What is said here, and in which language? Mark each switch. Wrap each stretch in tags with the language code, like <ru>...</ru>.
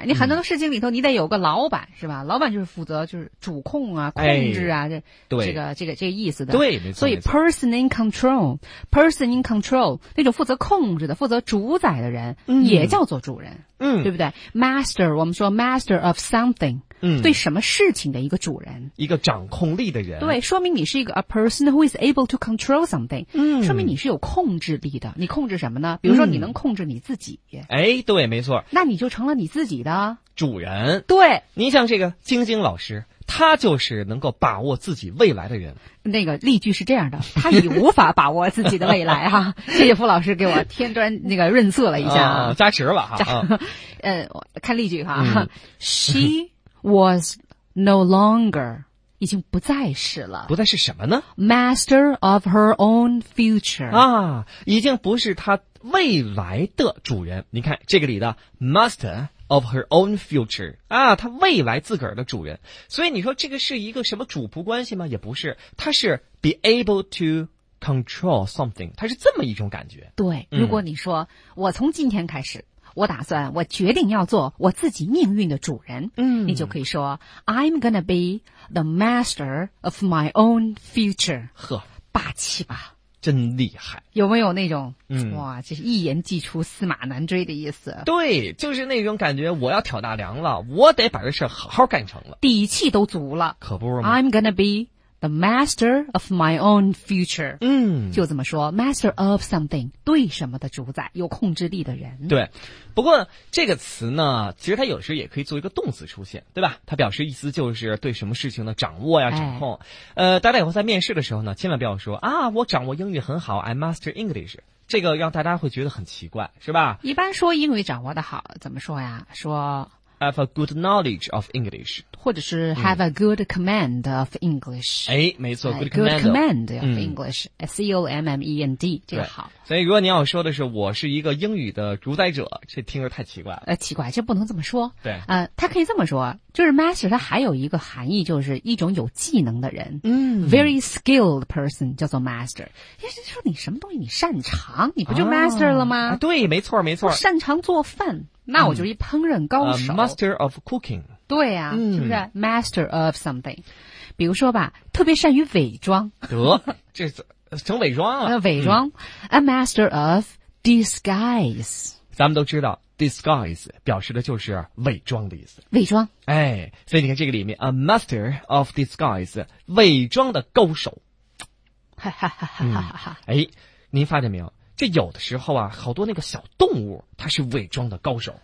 <zh>你很多事情里头，你得有个老板，是吧？老板就是负责，就是主控啊，控制啊，哎、这个意思的。对，没错。所以 ，</zh> <en>person in control，</en> <zh>person in control， 那种负责控制的、负责主宰的人，也叫做主人，对不对 ？Master， 我们说 master of something。对什么事情的一个主人，一个掌控力的人。对，说明你是一个</zh> <en>a person who is able to control something。嗯，</en> <zh>说明你是有控制力的。你控制什么呢？比如说你能控制你自己。哎，对，没错。那你就成了你自己的主人。对，你像这个晶晶老师，他就是能够把握自己未来的人。那个例句是这样的，他已无法把握自己的未来哈、啊。谢谢傅老师给我添砖那个润色了一下、啊啊、加持了哈、啊。我看例句哈、啊嗯、</zh> <en>She was no longer，</en> <zh>已经不再是了。不再是什么呢？</zh> <en>Master of her own future。</en> <zh>啊，已经不是他未来的主人。你看这个里的</zh> <en>Master of her own future</en> <zh>啊，他未来自个儿的主人。所以你说这个是一个什么主仆关系吗？也不是，他是</zh> <en>be able to control something，</en> <zh>他是这么一种感觉。对，如果你说、嗯、我从今天开始，我打算，我决定要做我自己命运的主人。嗯，你就可以说</zh> <en>I'm gonna be the master of my own future。呵，</en> <zh>霸气吧，真厉害。有没有那种、哇，这是一言既出驷马难追的意思。对，就是那种感觉，我要挑大梁了，我得把这事好好干成了，底气都足了。可不是吗？</zh> <en>I'm gonna be the master of my own future。嗯，</en> <zh>就这么说， master of something， 对什么的主宰，有控制力的人。对，不过这个词呢，其实它有时也可以做一个动词出现，对吧？它表示意思就是对什么事情的掌握呀、掌控、大家以后在面试的时候呢，千万不要说啊，我掌握英语很好，</zh> <en>I master English，</en> <zh>这个让大家会觉得很奇怪，是吧？一般说英语掌握的好怎么说呀？说</zh> <en>Have a good knowledge of English，或者是 Have a good command of English。</en> <zh>哎，没错 ，good</zh> <en>command, of English，command，</en> <zh>这个好。所以，如果你要说的是我是一个英语的主宰者，这听着太奇怪了。奇怪，这不能这么说。对，他可以这么说，就是 master， 他还有一个含义，就是一种有技能的人。嗯</zh> <en>，very skilled person</en> <zh>叫做</zh> <en>master。</en> <zh>意思说你什么东西你擅长，你不就 master 了吗？啊、对，没错，没错，我擅长做饭。那我就一烹饪高手、</zh> <en>Master of cooking。</en> <zh>对呀、是不是 Master of something。比如说吧，特别善于伪装，得这成伪装了、伪装、</zh> <en>A master of disguise。</en> <zh>咱们都知道 disguise 表示的就是伪装的意思，伪装。哎，所以你看这个里面 A master of disguise， 伪装的高手。哈哈哈哈哈哈。哎，您发现没有，这有的时候啊，好多那个小动物它是伪装的高手。</zh>